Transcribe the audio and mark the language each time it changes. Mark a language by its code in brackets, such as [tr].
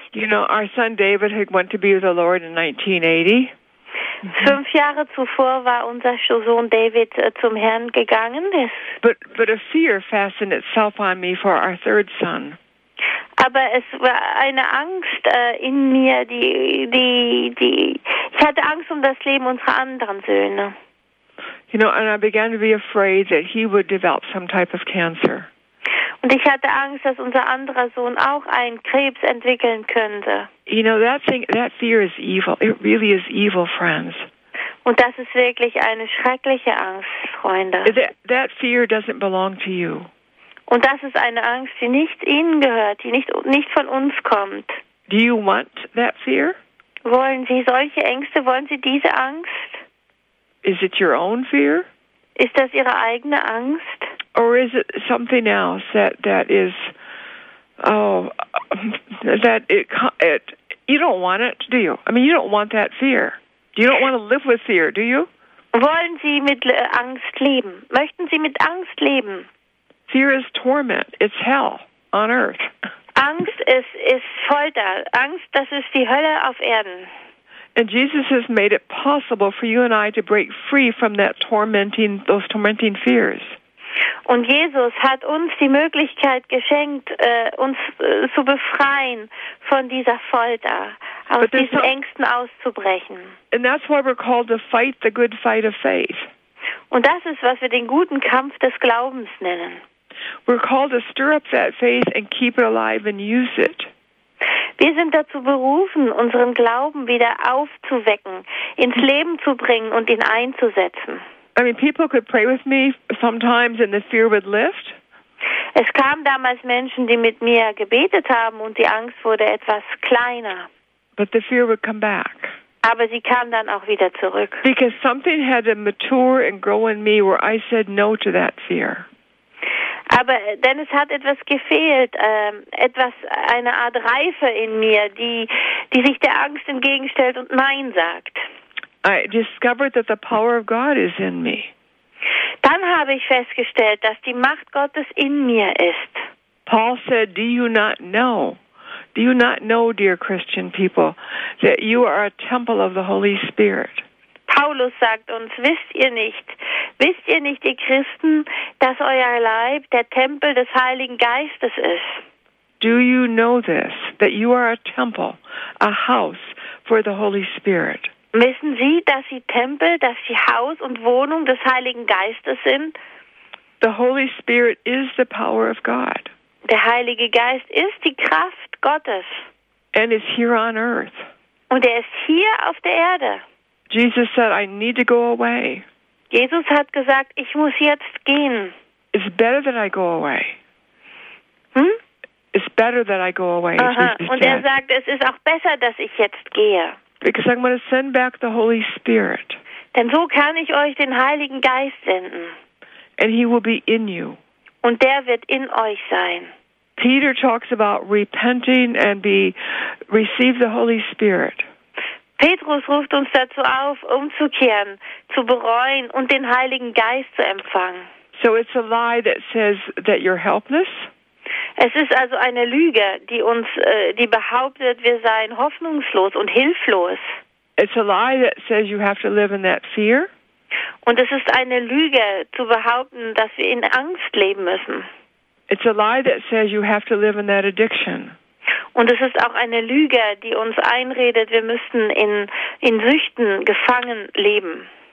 [en] You know, our son David had went to be with the Lord in 1980. [de] 5 Jahre zuvor war unser Sohn David zum Herrn gegangen. [en] But a fear fastened itself on me for our third son. [de] Aber es war eine Angst in mir, die ich hatte Angst um das Leben unserer anderen Söhne. [en] You know, and I began to be afraid that he would develop some type of cancer. [de] Und ich hatte Angst, dass unser anderer Sohn auch einen Krebs entwickeln könnte. [en] You know, that fear is evil. It really is evil, friends. [de] Und das ist wirklich eine schreckliche Angst, Freunde. [en] That fear doesn't belong to you. [de] Und das ist eine Angst, die nicht Ihnen gehört, die nicht von uns kommt. [en] Do you want that fear? [de] Wollen Sie solche Ängste? Wollen Sie diese Angst? [en] Is it your own fear? [de] Ist das Ihre eigene Angst? [en] Or is it something else that you don't want it, do you? I mean, you don't want that fear. You don't want to live with fear, do you? [de] Wollen Sie mit Angst leben? Möchten Sie mit Angst leben? [en] Fear is torment. It's hell on earth. [de] Angst ist Folter. Angst, das ist die Hölle auf Erden. [en] And Jesus has made it possible for you and I to break free from that tormenting, those tormenting fears. [de] Und Jesus hat uns die Möglichkeit geschenkt, uns zu befreien von dieser Folter, aus diesen Ängsten auszubrechen. [en] And that's why we're called to fight the good fight of faith. [de] Und das ist, was wir den guten Kampf des Glaubens nennen. [en] We're called to stir up that faith and keep it alive and use it. [de] Wir sind dazu berufen, unseren Glauben wieder aufzuwecken, ins Leben zu bringen und ihn einzusetzen. [en] I mean, people could pray with me sometimes and the fear would lift. [de] Es kamen damals Menschen, die mit mir gebetet haben und die Angst wurde etwas kleiner. [en] But the fear would come back. [de] Aber sie kam dann auch wieder zurück. [en] Because something had to mature and grow in me where I said no to that fear. [de] Aber denn es hat etwas gefehlt, etwas, eine Art Reife in mir, die sich der Angst entgegenstellt und Nein sagt. [en] I discovered that the power of God is in me. [de] Dann habe ich festgestellt, dass die Macht Gottes in mir ist. [en] Paul said, "Do you not know? Do you not know, dear Christian people, that you are a temple of the Holy Spirit?" [de] Paulus sagt uns, wisst ihr nicht, ihr Christen, dass euer Leib der Tempel des Heiligen Geistes ist? [en] Do you know this, that you are a temple, a house for the Holy Spirit? [de] Wissen Sie, dass Sie Tempel, dass Sie Haus und Wohnung des Heiligen Geistes sind? [en] The Holy Spirit is the power of God. [de] Der Heilige Geist ist die Kraft Gottes. [en] And is here on earth. [de] Und er ist hier auf der Erde. [en] Jesus said, "I need to go away." [de] Jesus hat gesagt, ich muss jetzt gehen. [en] It's better that I go away. It's better that I go away. [de] Und er sagt, es ist auch besser, dass ich jetzt gehe. [en] Because I'm going to send back the Holy Spirit. [de] Denn so kann ich euch den Heiligen Geist senden. [en] And he will be in you. [de] Und der wird in euch sein. [en] Peter talks about repenting and receive the Holy Spirit. [de] Petrus ruft uns dazu auf, umzukehren, zu bereuen und den Heiligen Geist zu empfangen. [en] So it's a lie that says that you're helpless. [de] Es ist also eine Lüge, die behauptet, wir seien hoffnungslos und hilflos. [en] It's a lie that says you have to live in that fear. [de] Und es ist eine Lüge, zu behaupten, dass wir in Angst leben müssen. [en] It's a lie that says you have to live in that addiction. [de] Und es ist auch eine Lüge, die uns einredet, wir müssten in Süchten gefangen leben.